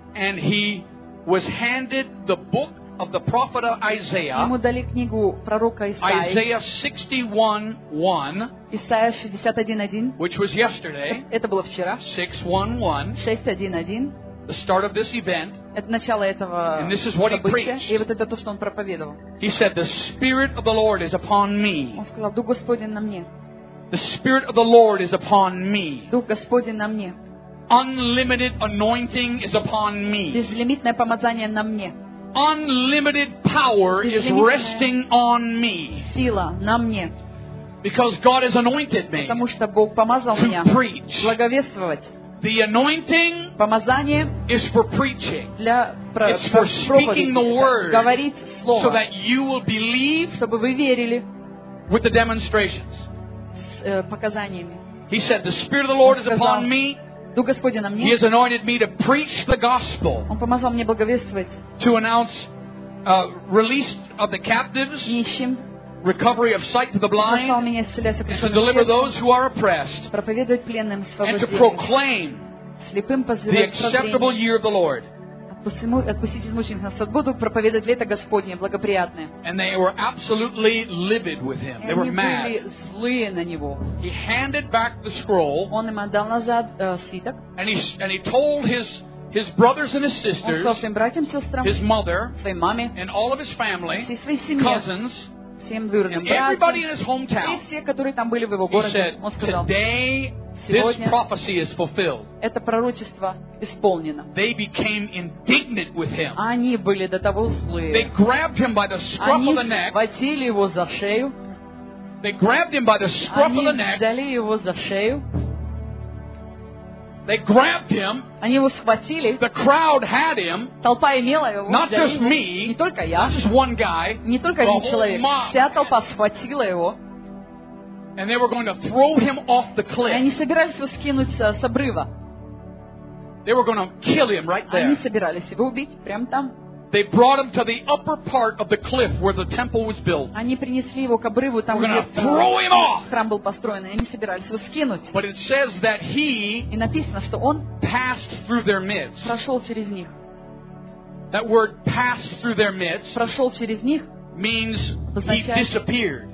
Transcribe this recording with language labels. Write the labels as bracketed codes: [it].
[en] And he was handed the book of the prophet Isaiah. [ru] Ему дали книгу пророка Исаии. [en] Isaiah 61:1. [ru] Исаия 61:1. [en] Which was yesterday. [ru] Это было вчера. [en] 6:1:1. [ru] 6:1:1. [en] The start of this event. [ru] Это начало этого события. [en] And this is what he preached. [ru] И вот это то, что он проповедовал. [en] He said, "The Spirit of the Lord is upon me." [ru] Он сказал: "Дух Господень на мне." [en] The Spirit of the Lord is upon me. [ru] Дух Господень на мне. [en] Unlimited anointing is upon me. [ru] Безлимитное помазание на мне. [en] Unlimited power is resting on me. [ru] Сила на мне. [en] Because God has anointed me. [ru] Потому что Бог помазал меня. [en] To preach. [ru] Благовествовать. [en] The anointing [ru] помазание [en] is for preaching. [ru] Для [en] It's for speaking the word. [ru] Говорить слово. [en] So that you will believe. [ru] Чтобы вы верили. [en] With the demonstrations. [ru] С показаниями. [en] He said, "The Spirit of the Lord is upon me." [ru] Дух Господень на мне. [en] He has anointed me to preach the gospel. [ru] Он помазал мне благовествовать. [en] To announce release of the captives. [ru] Нищим. [en] Recovery of sight to the блинд. [ru] Помазал меня исцелять сокрушенных. [en] To deliver those who are oppressed. [ru] Проповедовать пленным свободу. [en] And to proclaim. [ru] Слепым позволить прозреть. [en] The acceptable year of the Lord. [ru] Отпустить измученных на свободу, проповедовать лето Господне благоприятное. [en] And they were absolutely livid with him. They were mad. [ru] Они были злые на него. [en] He handed back the scroll. [ru] Он им отдал назад свиток. [en] And he told his brothers and his sisters. [ru] Он сказал своим братьям, сестрам. [en] His mother. [ru] Своей маме. [en] And all of his family. [ru] Всей своей семье. [en] Cousins. [ru] Всем двоюродным братьям. [en] And everybody in his hometown. [ru] И все, которые там были в его городе. Он сказал. [en] Today. This prophecy is fulfilled. [ru] Это пророчество исполнено. [en] They became indignant with him. [ru] Они были до того злые. [en] They grabbed him by the scruff of the neck. [ru] Они схватили его за шею. [en] They grabbed him by the scruff of the neck. [ru] Они взяли его за шею. [en] They grabbed him. [ru] Они его схватили. [en] The crowd had him. [ru] Толпа имела его. [en] Not just me. [ru] Не только я. [en] Not just one guy. [ru] Не только один человек. Вся толпа схватила его. [en] And they were going to throw him off the cliff. [ru] Они собирались его скинуть с обрыва. [en] They were going to kill him right there. [ru] Они собирались его убить прямо там. [en] They brought him to the upper part of the cliff where the temple was built. [ru] Они принесли его к обрыву там, где храм был построен. Они собирались его скинуть. [en] But it says that he [ru] и написано, что он [en] passed through their midst. [ru] Прошел через них. [en] That word passed through their midst. [ru] Прошел через них. [en] Means he disappeared.